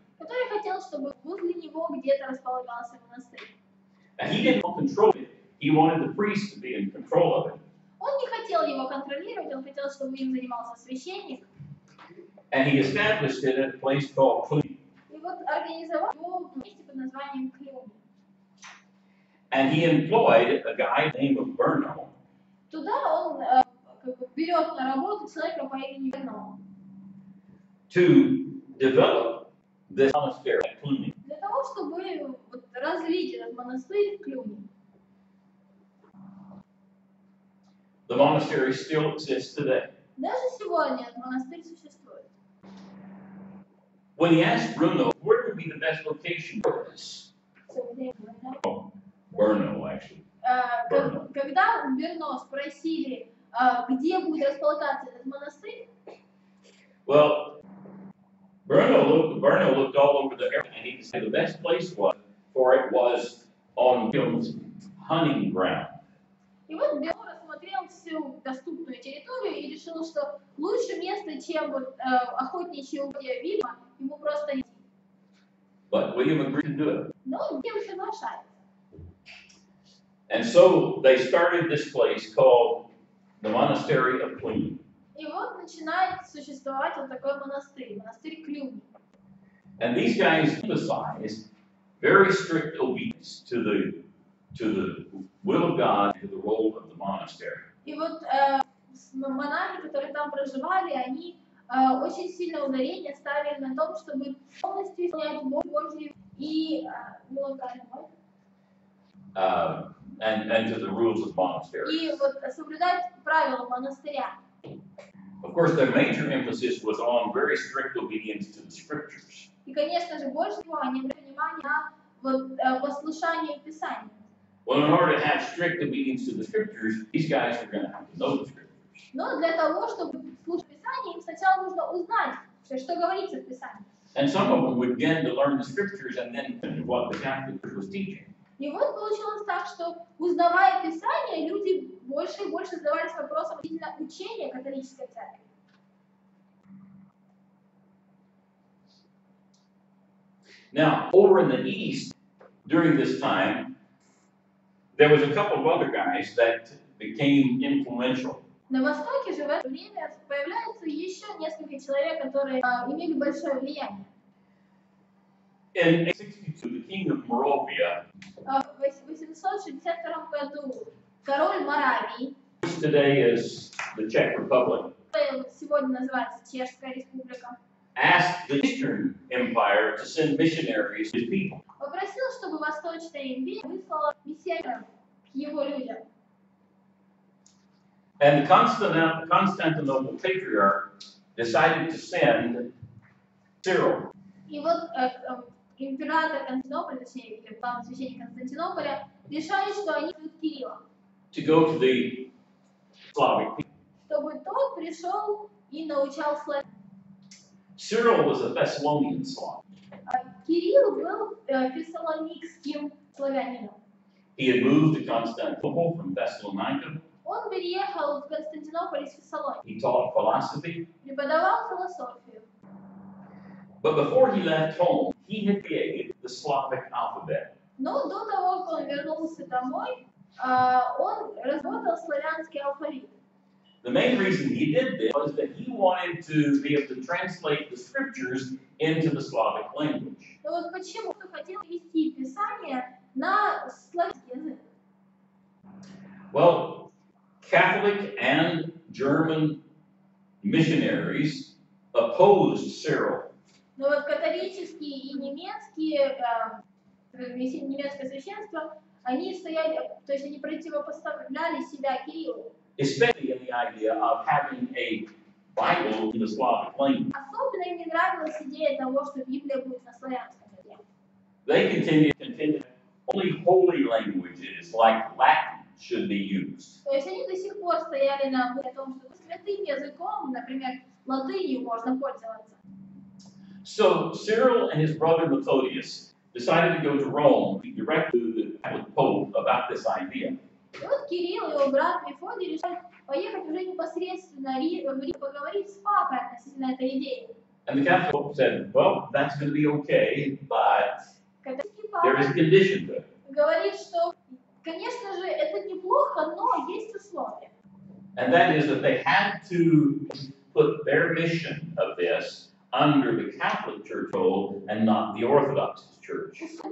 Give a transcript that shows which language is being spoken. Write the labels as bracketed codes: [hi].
[ru] Который хотел, чтобы возле него где-то располагался монастырь. [en] And he didn't want to control it. He wanted the priest to be in control of it. [ru] Он не хотел его контролировать, он хотел, чтобы им занимался священник. [en] And he established it at a place called Cluny. [ru] И вот организовал его в месте под названием Клюни. [en] And he employed a guy named Bernal. [ru] Туда он берет на работу человека по имени Бернал. [en] To develop this monastery at Cluny. [ru] Для того, чтобы развить этот монастырь в Клюни. [en] The monastery still exists today. [ru] Даже сегодня монастырь существует. [en] When he asked Bruno, where would be the best location for this? So, Bruno, actually. [ru] Когда Бруно спросили, где будет располагаться этот монастырь? [en] Well, Bruno looked all over the area, and he said the best place was, for it was on William's hunting ground. [ru] И вот Бруно рассмотрел всю доступную территорию и решил, что лучше место, чем вот охотничье угодья Вильяма, ему просто не. [en] But William agreed to do it. [ru] Но Вильям соглашается. [en] And so they started this place called the Monastery of Cluny. [ru] И вот начинает существовать вот такой монастырь, монастырь Клюни. [en] And these guys emphasized very strict obedience to the will of God and to the role of the monastery. [ru] И вот монахи, которые там проживали, они очень сильное ударение ставили на том, чтобы полностью исполнять волю Божью и [en] will of God. And to the rules of monasteries. [ru] И вот соблюдать правила монастыря. [en] Of course, their major emphasis was on very strict obedience to the scriptures. [ru] И, конечно же, больше всего они обратили внимание на послушание и писание. [en] Well, in order to have strict obedience to the scriptures, these guys are going to have to know the scriptures. [ru] Но для того, чтобы слушать писание, им сначала нужно узнать, что говорится в писании. [en] And some of them would begin to learn the scriptures and then what the Catholic Church was teaching. [ru] И вот получилось так, что узнавая Писание, люди больше и больше задавались вопросом именно учения католической церкви. [en] Now, over in the East, during this time, there was a couple of other guys that became influential. [ru] На Востоке же в это время появляются еще несколько человек, которые имели большое влияние. [en] In 1862, the king of Moravia. Which today is the Czech Republic. [ru] Сегодня называется Чешская Республика. [en] Asked the Eastern Empire to send missionaries to his people. [ru] Попросил, чтобы Восточная империя выслала миссионеров к его людям. [en] And the Constantinople Patriarch decided to send Cyril. [ru] И вот император Константинополя, точнее, главный священник Константинополя, решает, что они идут к Кириллу. [en] To go to the Slavic people. [ru] Чтобы тот пришел и научал славян. [en] Cyril was a Thessalonian Slav. [ru] Кирилл был фессалоникским славянином. [en] He had moved to Constantinople from Thessalonica. [ru] Он переехал в Константинополь из Фессалоники. [en] He taught philosophy. [ru] Преподавал философию. [en] But before he left home, he had created the Slavic alphabet. [ru] Но до того, как он вернулся домой, он разработал славянский алфавит. [en] The main reason he did this was that he wanted to be able to translate the scriptures into the Slavic language. [ru] Но вот почему он хотел перевести Писание на славянский язык? [en] Well, Catholic and German missionaries opposed Cyril. [ru] Но вот католические и немецкие немецкое священство, они стояли, то есть они противопоставляли себя Кириллу. [en] Especially in the idea of having a Bible in the Slavic language. [ru] Особенно им не нравилась идея того, что Библия будет на славянском языке. [en] They continued only holy languages like Latin should be used. [ru] То есть они до сих пор стояли на мысли о том, что святым языком, например, латынью можно пользоваться. [en] So Cyril and his brother Methodius decided to go to Rome to direct to the Catholic Pope about this idea. [ru] Вот Кирилл и его брат Мефодий решают поехать уже непосредственно в Рим поговорить с папой относительно этой идеи. [en] And the Catholic Pope said, well, that's going to be okay, but there is a condition to it. [ru] Говорит, что, конечно же, это неплохо, но есть условия. [en] And that is that they had to put their mission of this under the Catholic Church rule and not the Orthodox Church.